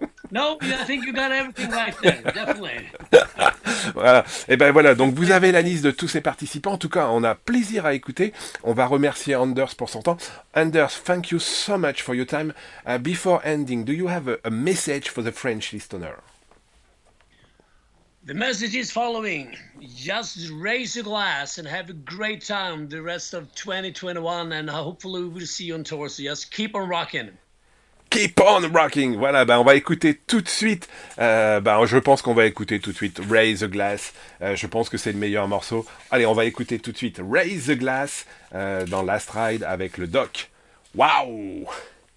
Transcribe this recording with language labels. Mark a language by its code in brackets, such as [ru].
[en] No, I think you got everything right there, definitely. [fr] Voilà. Et ben voilà, donc vous avez la liste de tous ces participants. En tout cas, on a plaisir à écouter. On va remercier Anders pour son temps. [en] Anders, thank you so much for your time. Before ending, do you have a message for the French listener? The message is following. Just raise a glass and have a great time the rest of 2021 and hopefully we'll see you on tour. So just keep on rocking. Keep on rocking. [fr] Voilà, ben on va écouter tout de suite. Je pense qu'on va écouter tout de suite Raise a Glass. Je pense que c'est le meilleur morceau. Allez, on va écouter tout de suite Raise a Glass dans Last Ride avec le Doc. Waouh!